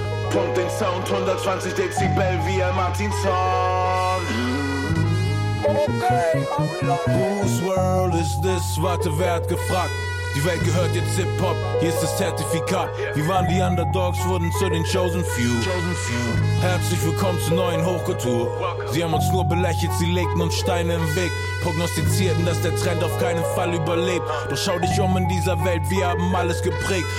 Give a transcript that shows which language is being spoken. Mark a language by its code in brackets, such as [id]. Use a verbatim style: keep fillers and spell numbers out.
[de] Pump den Sound hundertzwanzig Dezibel wie ein Martin Song. [en] Okay, whose world is this? [de] Warte, wer hat gefragt? Die Welt gehört jetzt Hip-Hop, hier ist das Zertifikat. Wir waren die Underdogs, wurden zu den Chosen Few. Herzlich willkommen zur neuen Hochkultur. Sie haben uns nur belächelt, sie legten uns Steine im Weg. Prognostizierten, dass der Trend auf keinen Fall überlebt. Doch schau dich um in dieser Welt, wir haben alles geprägt.